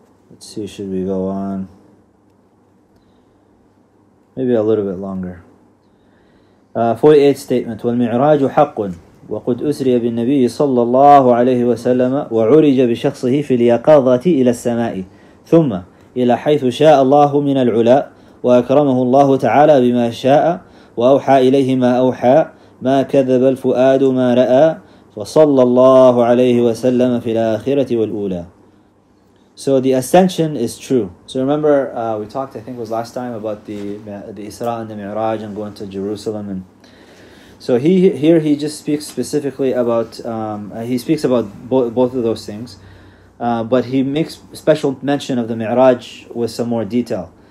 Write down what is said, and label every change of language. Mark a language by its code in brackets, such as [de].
[en] Let's see, should we go on? Maybe a little bit longer. 48th statement. [ar] وَالْمِعْرَاجُ حَقٌ وَقُدْ أُسْرِيَ بِالنَّبِيِّ صَلَّى اللَّهُ عَلَيْهِ وَسَلَّمَ وَعُرِجَ بِشَخْصِهِ فِي الْيَقَظَةِ إِلَى السَّمَاءِ ثُمَّ إِلَى حَيْثُ شَاءَ اللَّهُ مِنَ الْعُلَىٰ وأكرمه الله تعالى بما شاء وأوحى إليه ما أوحى ما كذب الفؤاد ما رأى وصلى الله عليه وسلم في الآخرة والأولى. [en] So the ascension is true. So remember, we talked, I think it was last time, about the Isra and the Mi'raj and going to Jerusalem. And so here he just speaks specifically about, he speaks about both of those things. But he makes special mention of the Mi'raj with some more detail.